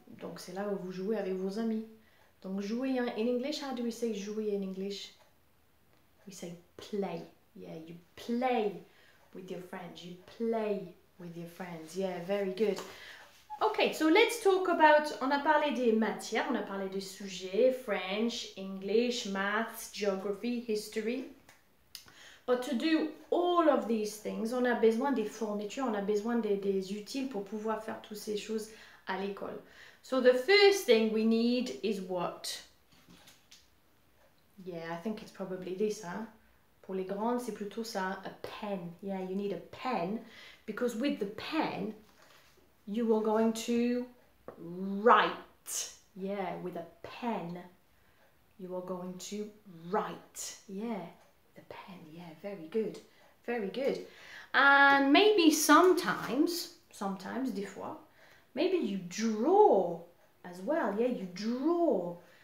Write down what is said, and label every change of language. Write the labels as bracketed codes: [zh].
[fr] Donc c'est là où vous jouez avec vos amis. Donc jouer, hein? [en] In English, how do we say jouer in English? We say play, yeah, you play with your friends, you play with your friends, yeah, very good. Okay, so let's talk about, [fr] on a parlé des matières, on a parlé des sujets, [en] French, English, maths, geography, history. But to do all of these things, [fr] on a besoin des fournitures, on a besoin des outils pour pouvoir faire toutes ces choses à l'école. [en] So the first thing we need is what? Yeah, I think it's probably this, huh? [fr] Pour les grandes, c'est plutôt ça, a pen. [en] Yeah, you need a pen, because with the pen, you are going to write. Yeah, with a pen, you are going to write, yeah. Pen, yeah, very good, very good. And maybe sometimes, [fr] des fois, [en] maybe you draw as well, yeah, you draw.